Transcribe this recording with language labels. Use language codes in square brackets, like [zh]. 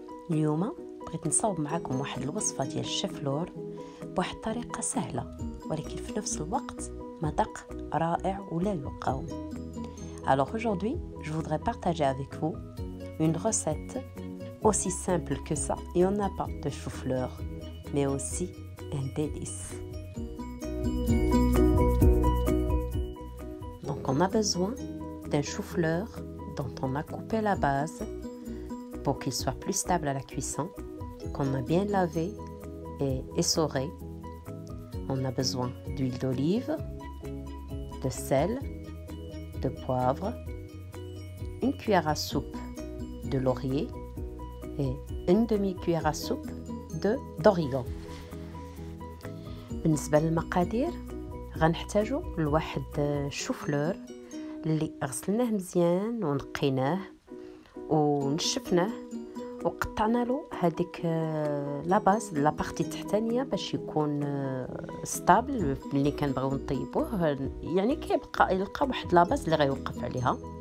[ar] اليوم بغيت نصاوب معكم واحد الوصفه ديال الشفلور بواحد الطريقه سهله ولكن في نفس الوقت مذاق رائع ولا يقاوم. [fr] alors aujourd'hui je voudrais partager avec vous une recette aussi simple que ça et on n'a pas de chou-fleur mais aussi un délice. donc on a besoin d'un chou-fleur dont on a coupé la base pour qu'il soit plus stable à la cuisson, qu'on a bien lavé et essoré. On a besoin d'huile d'olive, de sel, de poivre, une cuillère à soupe de laurier et une demi-cuillère à soupe de d'origan. [ar] بالنسبة للمقادير غنحتاجو لواحد شوفلور اللي غسلناه مزيان ونقيناه ونشفناه وقطعنا له هذيك لاباز لا بارتي التحتانيه باش يكون ستابل اللي كنبغيو نطيبوه يعني كيبقى يلقى واحد لاباز اللي غيوقف عليها.